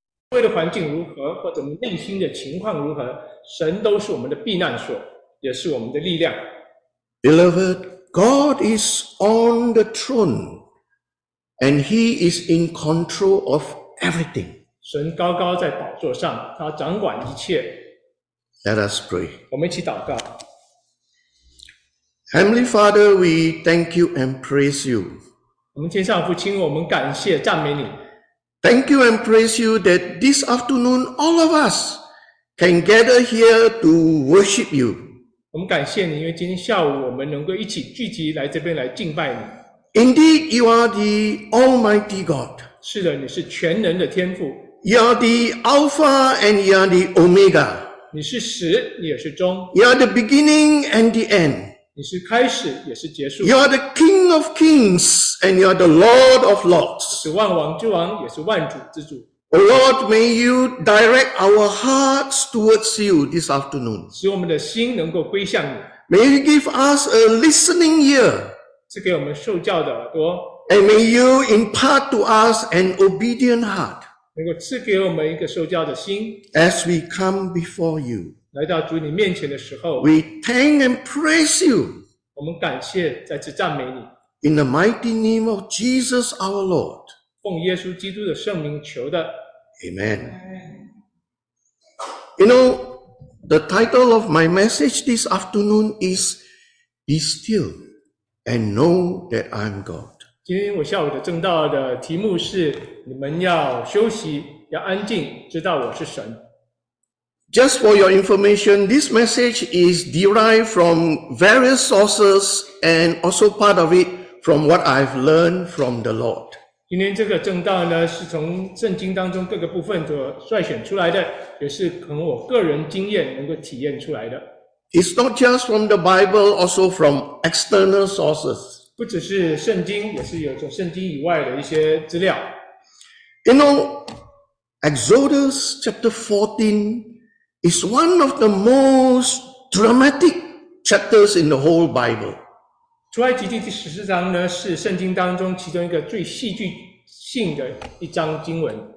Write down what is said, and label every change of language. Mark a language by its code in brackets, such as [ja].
[zh] 周围的环境如何，或者我们内心的情况如何，神都是我们的避难所，也是我们的力量。 [en] Beloved, God is on the throne, and He is in control of everything. [zh] 神高高在宝座上，他掌管一切。 [en] Let us pray. [zh] 我们一起祷告。 [en] Heavenly Father, we thank you and praise you. [zh] 我们天上父亲，我们感谢赞美你。 [en] Thank you and praise you that this afternoon all of us can gather here to worship you. [zh] 我们感谢你，因为今天下午我们能够一起聚集来这边来敬拜你。 [en] Indeed, you are the Almighty God. [zh] 是的，你是全能的天父。 [en] You are the Alpha and you are the Omega. [zh] 你是始，你也是终。 [en] You are the beginning and the end. [zh] 你是开始，也是结束。 [en] You are the King of Kings and you are the Lord of Lords. [zh] 是万王之王，也是万主之主。 [en] O Lord, may you direct our hearts towards you this afternoon. [zh] 使我们的心能够归向你。 [en] May you give us a listening ear. [zh] 赐给我们受教的耳朵。 [en] And may you impart to us an obedient heart. [zh] 能够赐给我们一个受教的心。 [en] As we come before you, [zh] 来到主你面前的时候， [en] we thank and praise you. [zh] 我们感谢，再次赞美你。 [en] In the mighty name of Jesus our Lord. [zh] 奉耶稣基督的圣名求的 [en] ，Amen. You know, the title of my message this afternoon is "Be still and know that I'm God." [zh] 今天我下午的正道的题目是：你们要休息，要安静，知道我是神。 [en] Just for your information, this message is derived from various sources and also part of it from what I've learned from the Lord. [zh] 今天这个正道呢，是从圣经当中各个部分所率选出来的，也是可能我个人经验能够体验出来的。 [en] It's not just from the Bible, also from external sources. [zh] 不只是圣经，也是有从圣经以外的一些资料。 [en] You know, Exodus chapter 14 is one of the most dramatic chapters in the whole Bible. [zh] 出埃及记第十四章呢，是圣经当中其中一个最戏剧性的一章经文。